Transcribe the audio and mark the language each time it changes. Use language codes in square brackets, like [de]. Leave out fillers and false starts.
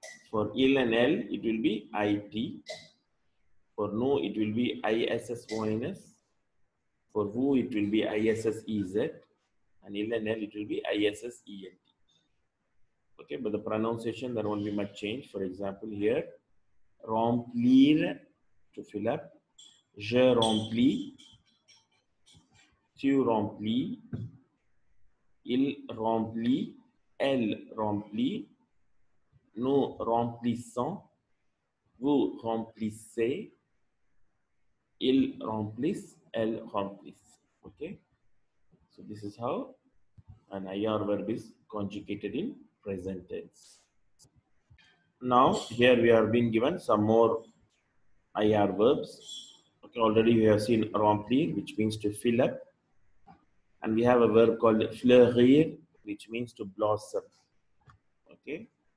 [en] For il and elle, it will be IT. For no, it will be ISSONS. For who, it will be ISSEZ. And il and elle, it will be ISSEN. Okay, but the pronunciation, there won't be much change. For example, here, [fr] remplir, [en] to fill up, [fr] je remplis, tu remplis, il remplit, elle remplit, nous remplissons, vous remplissez, il remplisse, elle remplisse. [en] Okay, so this is how an IR verb is conjugated in present tense. Now, here we are being given some more IR verbs. Okay, already we have seen remplir, which means to fill up. And we have a verb called fleurir, which means to blossom. Okay.